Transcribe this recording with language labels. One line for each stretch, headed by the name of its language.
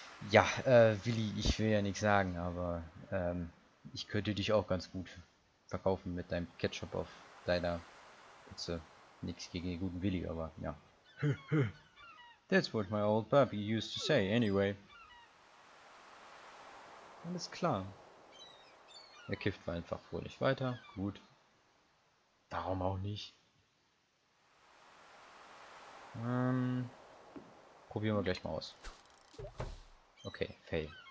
German: Ja, Willi, ich will ja nichts sagen, aber ich könnte dich auch ganz gut verkaufen mit deinem Ketchup auf deiner Pizza. Nichts gegen den guten Willi, aber ja.
English: That's what my old puppy used to say anyway.
German: Alles klar. Er kifft einfach fröhlich weiter. Gut. Warum auch nicht? Probieren wir gleich mal aus. Okay, fail.